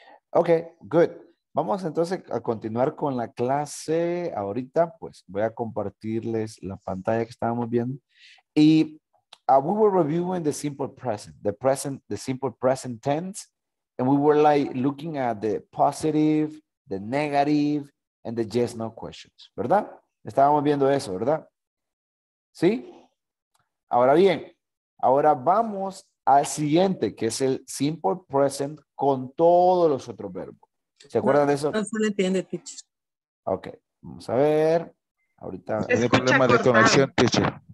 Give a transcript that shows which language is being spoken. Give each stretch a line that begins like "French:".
English: Ok, good.
Spanish: Vamos entonces a continuar con la clase. Ahorita, pues, voy a compartirles la pantalla que estábamos viendo.
English: Y we were reviewing the simple present, the simple present tense. And we were like looking at the positive, the negative, and the yes, no questions.
Spanish: ¿Verdad? Estábamos viendo eso, ¿verdad? ¿Sí? Ahora bien, ahora vamos al siguiente, que es el simple present con todos los otros verbos. ¿Se acuerdan no, de eso? No se le entiende, teacher. Ok, vamos a ver. Ahorita tiene problema de conexión, teacher.